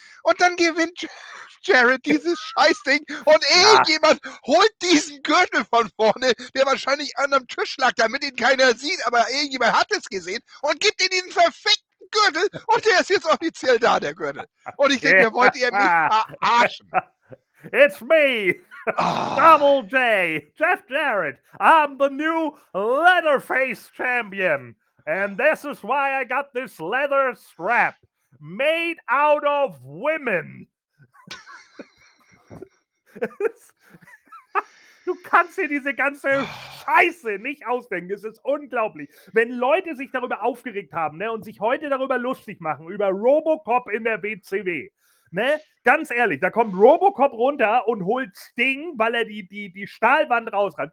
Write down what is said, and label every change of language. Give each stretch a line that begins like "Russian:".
German: Und dann gewinnt Jarrett dieses Scheißding. Und irgendjemand holt diesen Gürtel von vorne, der wahrscheinlich an einem Tisch lag, damit ihn keiner sieht. Aber irgendjemand hat es gesehen und gibt ihm diesen verfickten Gürtel. Und der ist jetzt offiziell da, der Gürtel. Und ich denke, wollt ihr mich verarschen?
English: It's me! Double J, Jeff Jarrett, I'm the new Leatherface champion, and this is why I got this leather strap made out of women.
German: Du kannst dir diese ganze Scheiße nicht ausdenken. Es ist unglaublich. Wenn Leute sich darüber aufgeregt haben, ne, und sich heute darüber lustig machen, über Robocop in der WCW, ne? Ganz ehrlich, da kommt Robocop runter und holt Sting, weil er die Stahlwand rausreißt.